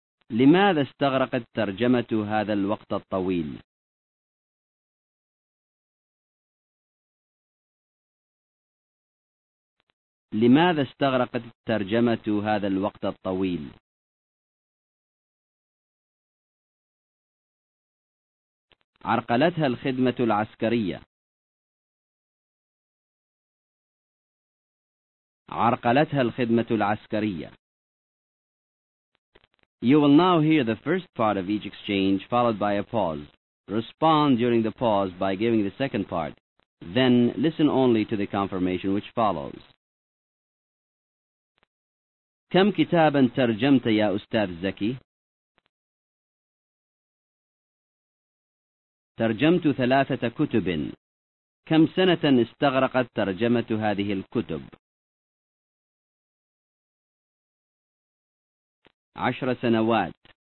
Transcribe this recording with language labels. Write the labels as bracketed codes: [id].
[ar] لماذا استغرقت ترجمة هذا الوقت الطويل؟ لماذا استغرقت الترجمة هذا الوقت الطويل؟ عرقلتها الخدمة العسكرية. عرقلتها الخدمة العسكرية. [en] You will now hear the first part of each exchange followed by a pause. Respond during the pause by giving the second part. Then listen only to the confirmation which follows. [ar] كم كتابا ترجمت يا أستاذ زكي؟ ترجمت 3 كتب. كم سنة استغرقت ترجمة هذه الكتب؟ 10 سنوات.